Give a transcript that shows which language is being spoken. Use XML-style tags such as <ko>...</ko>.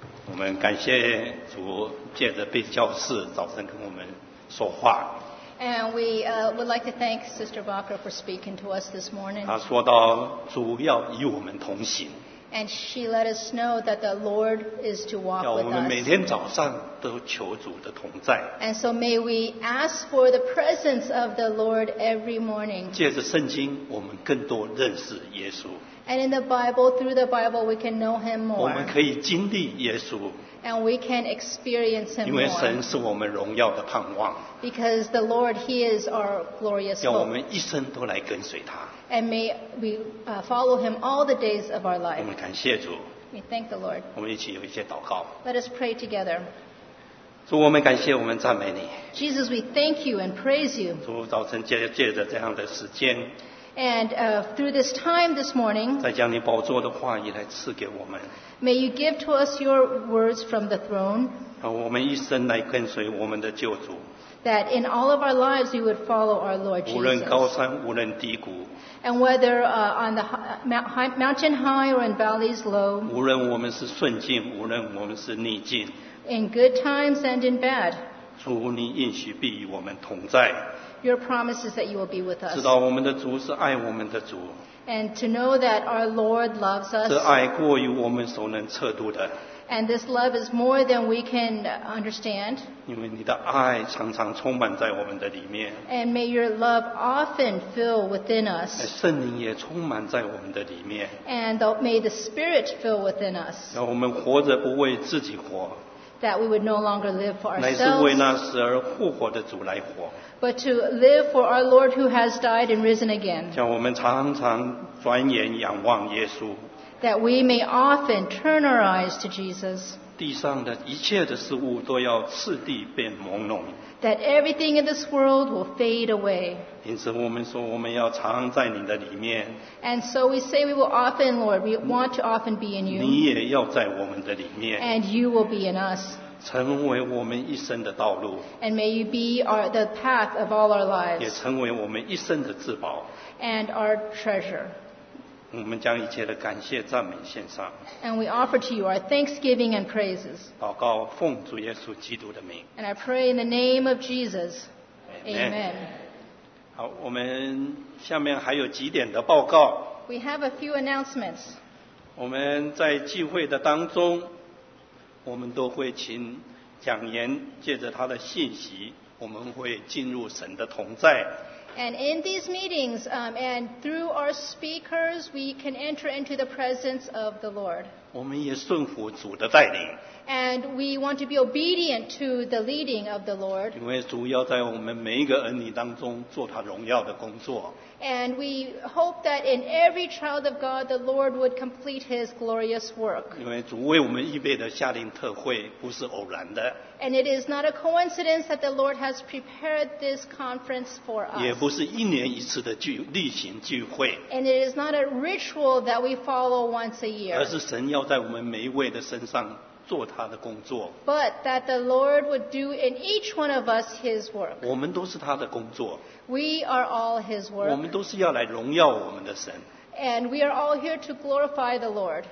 <zh>我们感谢主借着贝教士早晨跟我们说话。</zh> <en>And we would like to thank Sister Barker for speaking to us this morning.</en> <zh>她说到主要与我们同行。</zh> <en>And she let us know that the Lord is to walk with us.</en> <zh>要我们每天早上都求主的同在。</zh> <en>And so may we ask for the presence of the Lord every morning.</en> <zh>借着圣经，我们更多认识耶稣。</zh> <en>And in the Bible, through the Bible, we can know Him more.</en> <zh>我们可以经历耶稣。</zh> <en>And we can experience Him more.</en> <zh>因为神是我们荣耀的盼望。</zh> <en>Because the Lord, He is our glorious hope.</en> <zh>要我们一生都来跟随他。</zh> <en>And may we follow Him all the days of our life.</en> <zh>我们感谢主。</zh> <en>We thank the Lord.</en> <zh>我们一起有一些祷告。</zh> <en>Let us pray together.</en> <zh>主，我们感谢，我们赞美你。</zh> <en>Jesus, we thank you and praise you.</en> <zh>主，早晨借着这样的时间。</zh> <en>And through this time this morning,</en> <zh>再将你宝座的话语来赐给我们。</zh> <en>May you give to us your words from the throne.</en> <zh>让我们一生来跟随我们的救主。</zh> <en>That in all of our lives we would follow our Lord Jesus.</en> <zh>无论高山，无论低谷。</zh> <en>And whether on the mountain high or in valleys low.</en> <zh>无论我们是顺境，无论我们是逆境。</zh> <en>In good times and in bad.</en> <zh>主，你应许必与我们同在。</zh> <en>Your promise is that you will be with us.</en> <zh>知道我们的主是爱我们的主。</zh> <en>And to know that our Lord loves us.</en> <zh>这爱过于我们所能测度的。</zh> <en>And this love is more than we can understand.</en> <zh>因为你的爱常常充满在我们的里面。</zh> <en>And may your love often fill within us.</en> <zh>圣灵也充满在我们的里面。</zh> <en>And may the Spirit fill within us.</en> <zh>让我们活着不为自己活。</zh> <en>That we would no longer live for ourselves.</en> <zh>乃是为那死而复活的主来活。</zh> <en>But to live for our Lord who has died and risen again.</en> <zh>叫我们常常转眼仰望耶稣。</zh> <en>That we may often turn our eyes to Jesus.</en> <zh>地上的一切的事物都要次第变朦胧。</zh> <en>That everything in this world will fade away.</en> <zh>因此我们说我们要常在你的里面。</zh> <en>And so we say we will often, Lord, we want to often be in you.</en> <zh>你也要在我们的里面。</zh> <en>And you will be in us.</en> <zh>成为我们一生的道路。</zh> <en>And may you be the path of all our lives.</en> <zh>也成为我们一生的至宝。</zh> <en>And our treasure.</en> <zh>我们将一切的感谢赞美献上。</zh> <en>And we offer to you our thanksgiving and praises.</en> <zh>祷告奉主耶稣基督的名。</zh> <en>And I pray in the name of Jesus. Amen. Amen.</en> <zh>好，我们下面还有几点的报告。</zh> <en>We have a few announcements.</en> <zh>我们在聚会的当中，我们都会请讲员借着他的信息，我们会进入神的同在。</zh> <en>And in these meetings, and through our speakers, we can enter into the presence of the Lord.</en> <zh>我们也顺服主的带领。</zh> <en>And we want to be obedient to the leading of the Lord.</en> <zh>因为主要在我们每一个儿女当中做他荣耀的工作。</zh> <en>And we hope that in every child of God, the Lord would complete His glorious work.</en> <zh>因为主为我们预备的夏令特会不是偶然的。</zh> <en>And it is not a coincidence that the Lord has prepared this conference for us.</en> <zh>也不是一年一次的例行聚会。</zh> <en>And it is not a ritual that we follow once a year.</en> <zh>而是神要在我们每一位的身上做他的工作。</zh> <en>But that the Lord would do in each one of us His work.</en> <zh>我们都是他的工作。</zh> <en>We are all His work.</en> <zh>我们都是要来荣耀我们的神。</zh> <en>And we are all here to glorify the Lord.</en>